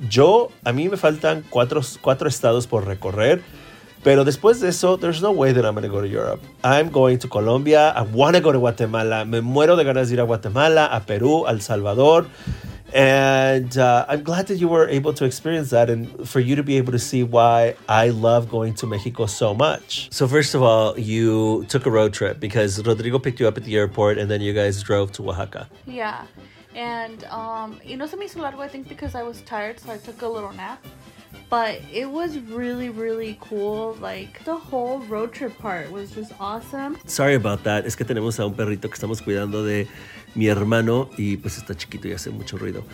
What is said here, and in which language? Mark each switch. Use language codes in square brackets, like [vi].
[es] Yo, a mí me faltan cuatro estados por recorrer. Pero después de eso, [en] there's no way that I'm going to go to Europe. I'm going to Colombia. I want to go to Guatemala. [es] Me muero de ganas de ir a Guatemala, a Perú, a El Salvador. [en] And I'm glad that you were able to experience that and for you to be able to see why I love going to Mexico so much. So first of all, you took a road trip because Rodrigo picked you up at the airport and then you guys drove to Oaxaca. Yeah. And you know, [es] se me hizo largo, [en] I think, because I was tired, so I took a little nap. But it was really, really cool. Like, the whole road trip part was just awesome. Sorry about that. [es] Es que tenemos a un perrito que estamos cuidando de mi hermano. Y pues está chiquito y hace mucho ruido.